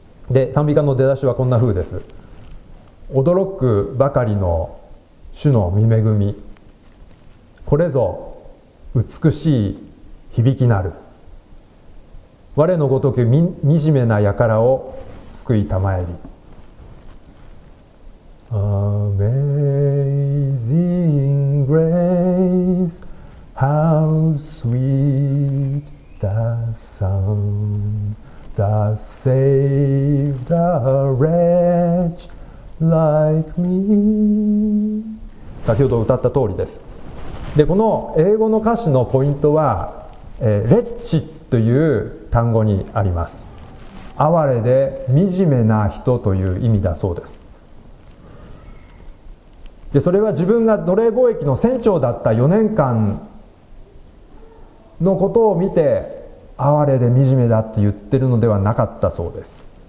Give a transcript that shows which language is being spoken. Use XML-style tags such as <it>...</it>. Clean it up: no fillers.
<ja>で賛美歌の出だしはこんな風です。驚くばかりの主の御恵み、これぞ美しい響きなる、我のごとく惨めな輩を救いたまえり。</ja> <en>Amazing grace, how sweet the sound that saved a wretch like me.</en> <ja>先ほど歌った通りです。で、この英語の歌詞のポイントは、レッチという単語にあります。哀れで惨めな人という意味だそうです。でそれは自分が奴隷貿易の船長だった4年間のことを見て、哀れで惨めだと言ってるのではなかったそうです。</ja>